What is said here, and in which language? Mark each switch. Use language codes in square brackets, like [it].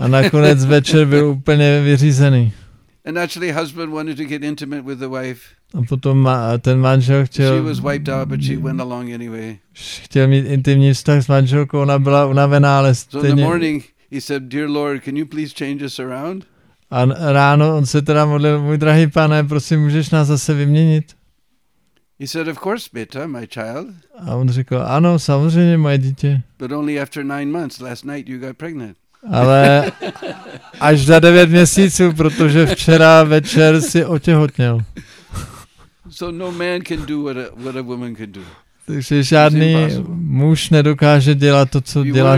[cs] A nakonec večer byl úplně vyřízený. [en] And actually husband wanted to get intimate with the wife. [cs] A potom ten manžel chtěl. [en] She was wiped out, but she went along anyway. [cs] Chtěl mít intimní vztah s manželkou, ona byla unavená, ale stejně. [en] So in the morning he said, "Dear Lord, can you please change us around?" [cs] A ráno on se teda modlil, můj drahý pane, prosím, můžeš nás zase vyměnit? [en] He said, "Of course, Beta, my child." [cs] A on řekl, ano, samozřejmě, moje dítě. [en] But only after 9 months. Last night you got pregnant. [cs] Ale až za 9 měsíců, protože včera večer si otěhotněl. [en] So no man can do what a woman can do. [cs] Takže žádný muž nedokáže dělat to, co dělá